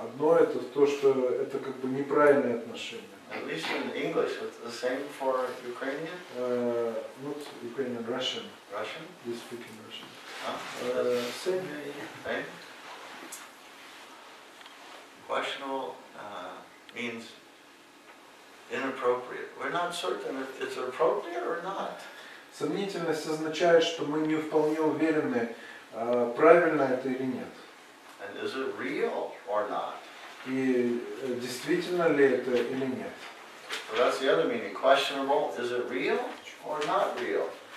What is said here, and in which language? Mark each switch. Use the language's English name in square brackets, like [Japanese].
[Russian] Одно это в то, что это как бы неправильные отношения. [English] At least in English, it's the same for Ukrainian. Not Ukrainian, Russian. Russian? You speak in Russian. Same. Same. Questionable means inappropriate. We're not certain if it's appropriate or not. [Russian] Сомнительность означает, что мы не вполне уверены, правильно это или нет. [English] And is it real or not? [Russian] И действительно ли это или нет? [English] Well, that's the other meaning. Questionable. Is it real or not real?